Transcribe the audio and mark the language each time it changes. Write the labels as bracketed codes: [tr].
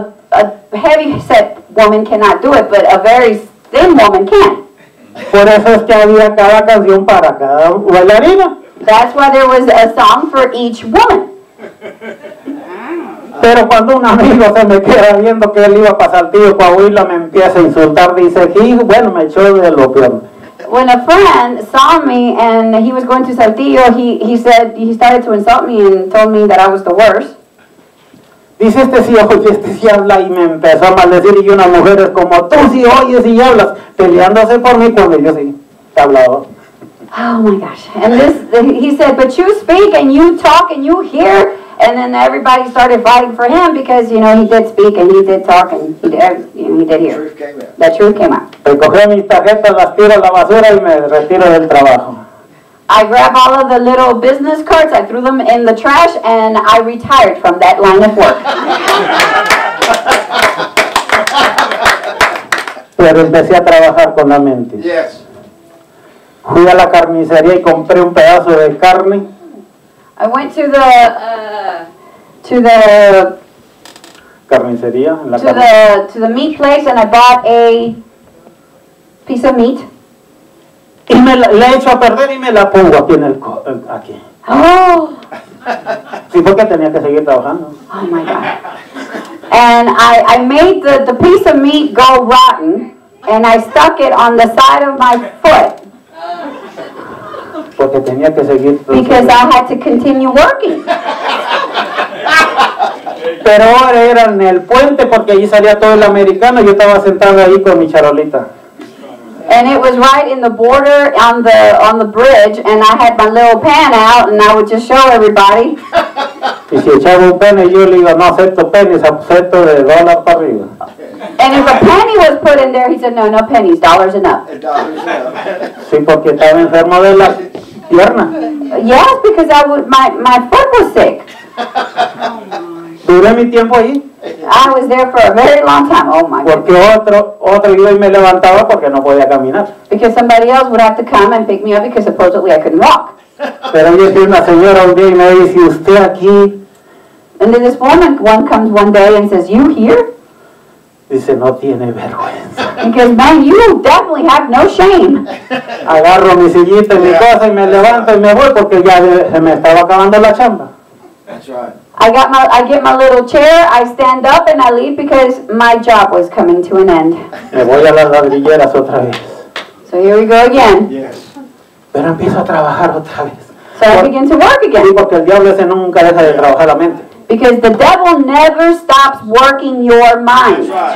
[en] A heavy set woman cannot do it, but a very thin woman can. [es] Por eso es que había cada canción para cada bailarina. [en] That's why there was a song for each woman. [es] Pero cuando un amigo se me queda viendo que él iba a pasar tío Coahuila, me empieza a insultar, dice, y bueno, me echó de lo peor. [en] When a friend saw me and he was going to Saltillo, he started to insult me and told me that I was the worst. [es] Dice, este sí oye, este sí habla, y me empezó a maldecir, y una mujer es como, tú sí oyes y hablas, peleándose por mí, cuando yo sí, te hablaba. [en] Oh my gosh, and this, he said, but you speak and you talk and you hear, And then everybody started fighting for him because, you know, he did speak and he did talk and he did, you know, he did hear. The truth came out. [es] Recogí mis tarjetas, las tiro a la basura y me retiro del trabajo. [en] I grabbed all of the little business cards, I threw them in the trash, and I retired from that line of work. [es] Pero empecé a trabajar con la mente. [en] Yes. [es] Fui a la carnicería y compré un pedazo de carne. [en] I went to the [es] carnicería, la [en] to the meat place, and I bought a piece of meat. [es] Y me la he hecho a perder y me la pongo aquí en el aquí. [en] Oh. [es] Sí, porque tenía que seguir trabajando. [en] Oh my God. And I made the piece of meat go rotten, and I stuck it on the side of my foot. [es] Porque tenía que seguir trabajando. [en] Because I had to continue working. [es] Pero ahora era en el puente porque allí salía todo el americano y yo estaba sentado ahí con mi charolita. [en] And it was right in the border on the bridge, and I had my little pan out, and I would just show everybody. [es] Y si echaba un penny, yo le digo, no acepto pennies, acepto de dólar para arriba. [en] And if a penny was put in there, he said, no, no pennies, dollars and up. [es] Sí, porque estaba enfermo de la pierna. [en] Yes, because I would, my foot was sick. [es] Duré mi tiempo ahí. [en] I was there for a very long time. Oh my God. [es] Porque otro iba y me levantaba porque no podía caminar. [en] Because somebody else would have to come and pick me up because supposedly I couldn't walk. [es] Pero yo fui una señora un día y me dice, ¿usted aquí? [en] And then this woman, one comes one day and says, you here? [es] Dice, no tiene vergüenza. [en] Because man, you definitely have no shame. [es] Agarro mi sillita y mi cosa y me levanto y me voy porque ya se me estaba acabando la chamba. [en] That's right. I get my little chair, I stand up and I leave because my job was coming to an end. [es] Me voy a las ladrilleras otra vez. [en] So here we go again. Yes. [es] Pero empiezo a trabajar otra vez. [en] So I begin to work again. [es] Sí, porque el diablo ese nunca deja de trabajar la mente. [en] Because the devil never stops working your mind.